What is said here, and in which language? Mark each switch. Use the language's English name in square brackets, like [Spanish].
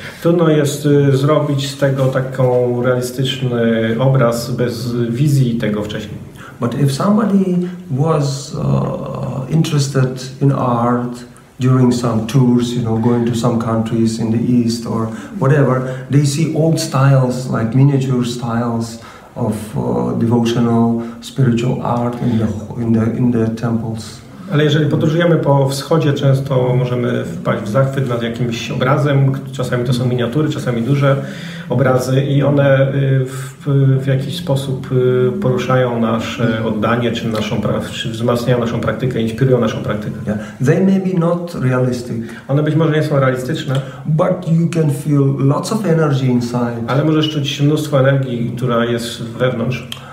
[Polish] Trudno jest zrobić z tego taką realistyczny obraz bez wizji tego wcześniej. [English] But if somebody was interested in art during some tours, you know, going to some countries in the East or whatever, they see old styles, like miniature styles of devotional spiritual art in the temples. [Polish] Ale jeżeli podróżujemy po wschodzie, często możemy wpaść w zachwyt nad jakimś obrazem. Czasami to są miniatury, czasami duże obrazy i one w jakiś sposób poruszają nasze oddanie, czy wzmacniają naszą praktykę, inspirują naszą praktykę. [English] Yeah. They may be not realistic. [Polish] One być może nie są realistyczne, [English] but you can feel lots of energy inside. [Polish] Ale możesz czuć mnóstwo energii, która jest wewnątrz.